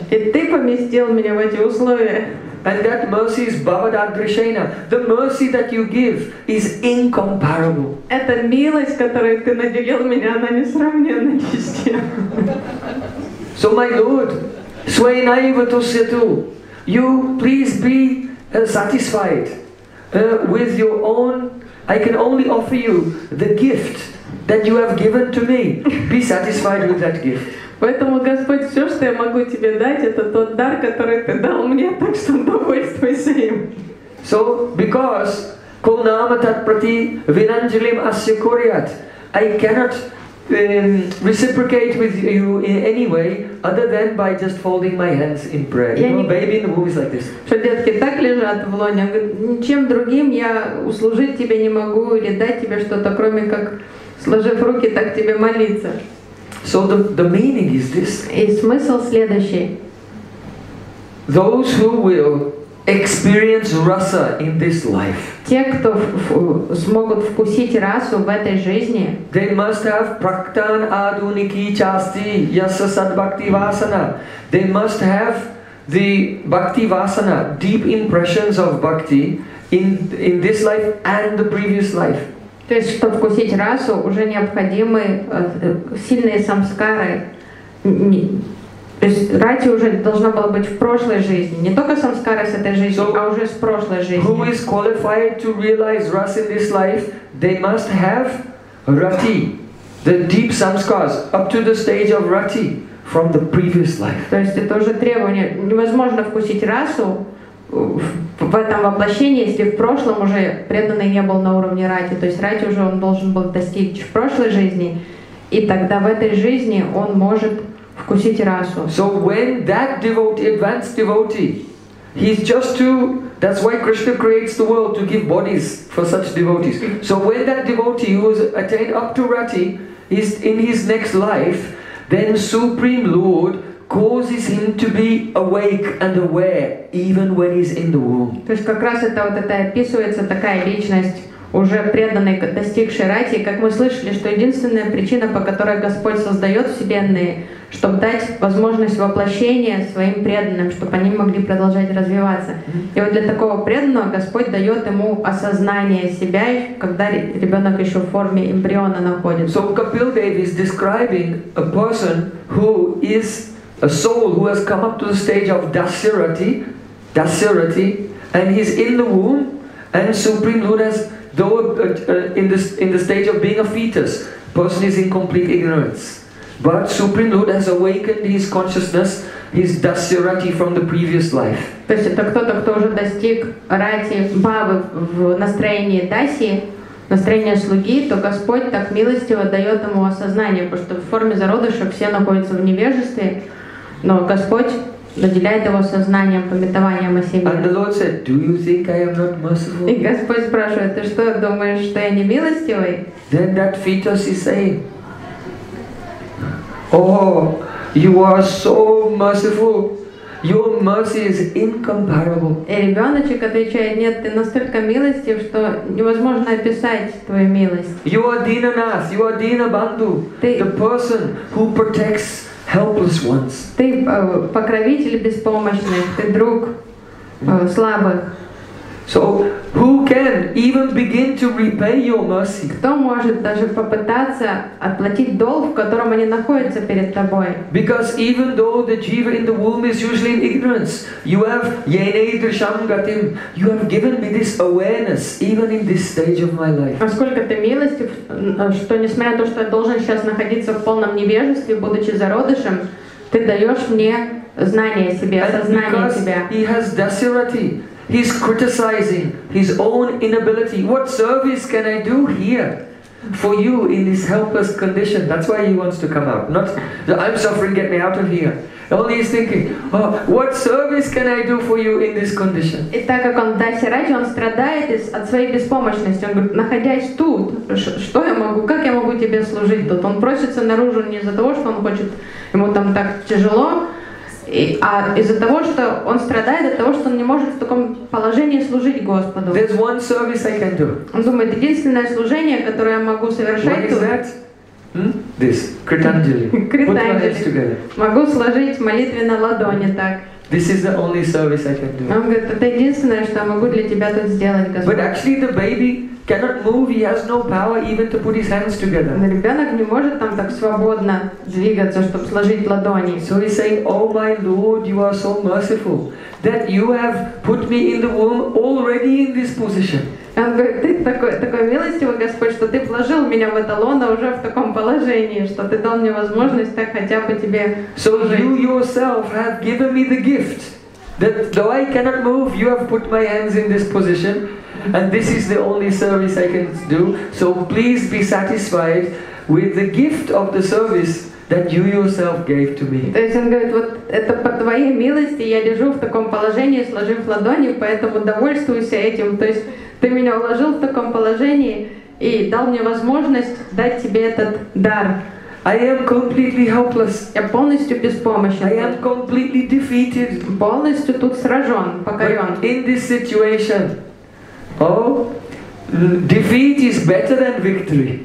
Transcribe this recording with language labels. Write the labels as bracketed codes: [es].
[ru] И ты поместил меня в эти условия. [en] And that mercy is [sa] bhava-dadrishena. [en] The mercy that you give is incomparable. [ru] Эта милость, которую ты наделил меня, она несравненна ни с чем. [en] So my Lord, [sa] swayanaivatusyatu, [en] you please be satisfied with your own. I can only offer you the gift that you have given to me. Be satisfied with that gift. [ru] Поэтому, Господь, все, что я могу тебе дать, это тот дар, который ты дал мне, так что довольствуйся им. [en] So, because [sa] kulnama tat prati vinanjalim asya kuryat, [en] I cannot reciprocate with you in any way other than by just folding my hands in prayer. You know, baby in the womb is like this. [ru] Что детки так лежат в лоне, ничем другим я услужить тебе не могу или дать тебе что-то, кроме как сложив руки, так тебе молиться. [en] So the meaning is this. [ru] И смысл следующий. [en] Those who will experience rasa in this life. [ru] Те, кто смогут вкусить расу в этой жизни. [en] They must have [sa] praktan aduniki chasti yasa sadbhakti vasana. [en] They must have the bhakti vasana, deep impressions of bhakti in this life and the previous life. [ru] То есть, чтобы вкусить расу, уже необходимы сильные самскары То есть рати уже должна была быть в прошлой жизни, не только самскара с этой жизни, а уже с прошлой жизни. [en] Who is qualified to realize rasa in this life? They must have rati, the deep samskaras up to the stage of rati from the previous life. [ru] То есть это уже требование. Невозможно вкусить расу в этом воплощении, если в прошлом уже преданный не был на уровне рати. То есть рати уже он должен был достичь в прошлой жизни, и тогда в этой жизни он может вкусить расу. [en] So when that devotee, advanced devotee, he's just to, that's why Krishna creates the world, to give bodies for such devotees. So when that devotee who has attained up to rati is in his next life, then Supreme Lord causes him to be awake and aware even when he's in the womb. [ru] То есть как раз это вот это описывается такая личность уже преданной, достигшей рати, как мы слышали, что единственная причина, по которой Господь создает вселенные, чтобы дать возможность воплощения своим преданным, чтобы они могли продолжать развиваться. И вот для такого преданного Господь дает ему осознание себя, когда ребенок еще в форме эмбриона находится. [en] So Kapil Dev is describing a person who is a soul who has come up to the stage of dasyarati, and he's in the womb, and Supreme Lord has, though in the stage of being a fetus, person is in complete ignorance. But Supreme Lord has awakened his consciousness, his dasyarati from the previous life. [ru] То есть это кто-то, кто уже достиг рати бхавы в настроении даси, настроение слуги, то Господь так милостиво дает ему осознание, потому что в форме зародыша все находятся в невежестве, но Господь наделяет его сознанием, памятованием о себе. [en] And the Lord said, do you think I am not merciful? [ru] И Господь спрашивает, ты что, думаешь, что я не милостивый? [en] Then that fetus is saying, oh, you are so merciful. Your mercy is incomparable. [ru] И ребеночек отвечает, нет, ты настолько милостив, что невозможно описать твою милость. [en] You are Dinanath, you are Dinabandhu, the person who protects helpless ones. [ru] Ты покровитель беспомощных, ты друг слабых. [en] So who can even begin to repay your mercy? [ru] Кто может даже попытаться отплатить долг, в котором они находятся перед тобой? [en] Because even though the jiva in the womb is usually in ignorance, you have [sa] yenaidrisham gatim, [en] you have given me this awareness even in this stage of my life. [ru] Насколько ты милостив, что несмотря на то, что я должен сейчас находиться в полном невежестве, будучи зародышем, ты даешь мне знание о себе, осознание себя. [en] Because he has dasyarati, he's criticizing his own inability. What service can I do here for you in this helpless condition? That's why he wants to come out. Not, I'm suffering, get me out of here. All he's thinking, oh, what service can I do for you in this condition? [ru] И так как он дасирати, он страдает от своей беспомощности. Он говорит, находясь тут, что я могу, как я могу тебе служить тут? Он просится наружу не из-за того, что он хочет, ему там так тяжело, а из-за того, что он страдает от того, что он не может в таком положении служить Господу. [en] There's one service I can do. [ru] Он думает, единственное служение, которое я могу совершать. [en] What is that? This. Kritanjali. Kritanjali. Put my hands together. [ru] Могу сложить молитвы на ладони так. [en] This is the only service I can do. [ru] Он говорит, это единственное, что я могу для тебя тут сделать, Господь. [en] But actually the baby cannot move, he has no power even to put his hands together. [ru] Но ребенок не может там так свободно двигаться, чтобы сложить ладони. [en] So he's saying, oh my Lord, you are so merciful that you have put me in the womb already in this position. [ru] Он говорит, ты такой милостивый Господь, что ты вложил меня в это лоно уже в таком положении, что ты дал мне возможность так хотя бы тебе служить. [en] So you yourself have given me the gift that though I cannot move, you have put my hands in this position. And this is the only service I can do. So please be satisfied with the gift of the service that you yourself gave to me. [ru] То есть он говорит, вот это по твоей милости я лежу в таком положении, сложив ладони, поэтому довольствуйся этим. То есть ты меня уложил в таком положении и дал мне возможность дать тебе этот дар. [en] I am completely helpless. [ru] Я полностью беспомощен. [en] I am completely defeated. [ru] Полностью тут сражен, покорен. [en] But in this situation, oh, defeat is better than victory.